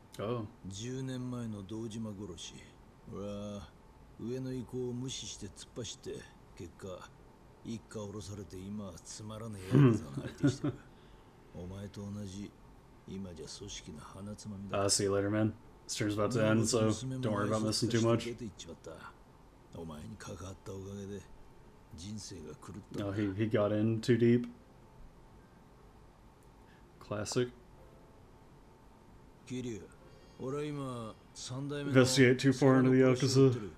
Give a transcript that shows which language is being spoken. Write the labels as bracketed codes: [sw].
[ja] 10年前の堂島殺し、俺は上の意向を無視して突っ走って、結果一家降ろされて今はつまらねえヤクザの相手してる。お前と同じ、今じゃ組織の鼻つまみだ。 [en] See you later, man. Stream's about to end, so don't worry about missing too much. [ja] お前に関わったおかげで人生が狂った。 [en] No, he got in too deep. Classic. [ja] キリュウ、 [en] Investigate too far into the Yakuza.